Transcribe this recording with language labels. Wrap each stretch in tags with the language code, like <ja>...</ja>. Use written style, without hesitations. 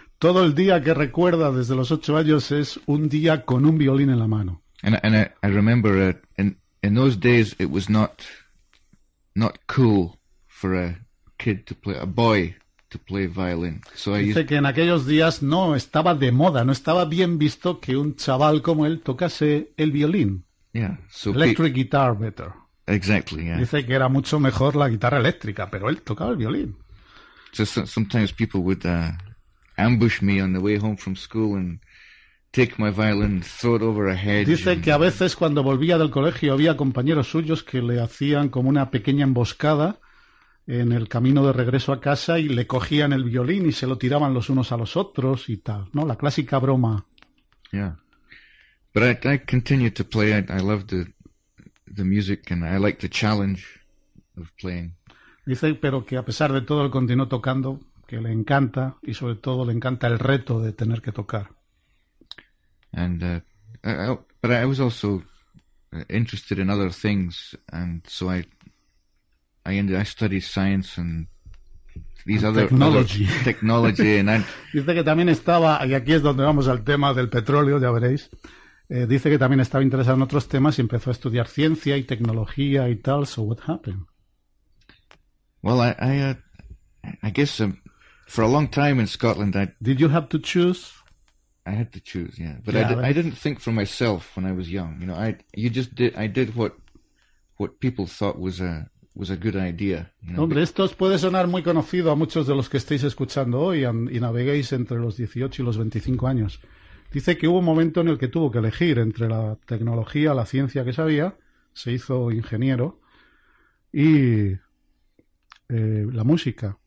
<es>todo el día que recuerda desde los 8 años es un día con un violín en la mano.</es> <en>And I remember in those days it was not cool for a kid to play, a boy to play violin.</en> <es>So dice que en aquellos días no estaba de moda, no estaba bien visto que un chaval como él tocase el violín.</es> <en>Yeah, so electric guitar better. Exactly, yeah.</en> <es>Dice que era mucho mejor la guitarra eléctrica, pero él tocaba el violín.</es> <en>So sometimes people would ambush me on the way home from school and take my violin, throw it over a hedge.</en> <es>Dice que a veces cuando volvía del colegio había compañeros suyos que le hacían como una pequeña emboscada en el camino de regreso a casa y le cogían el violín y se lo tiraban los unos a los otros y tal, ¿no? La clásica broma.</es> <en>Yeah. But I continued to play. I loved the music, and I liked the challenge of playing.</en> <es>Dice, pero que a pesar de todo, él continuó tocando, que le encanta, y sobre todo le encanta el reto de tener que tocar.</es> <en>But I was also interested in other things, and so I studied science and these other technology. Technology, and</en> <es>dice que también estaba, y aquí es donde vamos al tema del petróleo, ya veréis. Dice que también estaba interesado en otros temas y empezó a estudiar ciencia y tecnología y tal.</es> <en>So what happened? Well, I guess for a long time in Scotland, I did you have to choose? I had to choose, yeah. But yeah, I didn't think for myself when I was young. You know, I did what people thought was a good idea. You know?</en> <es>Hombre, esto os puede sonar muy conocido a muchos de los que estáis escuchando hoy y naveguéis entre los 18 y los 25 años. Dice que hubo un momento en el que tuvo que elegir entre la tecnología, la ciencia que sabía, se hizo ingeniero, y la música.</es>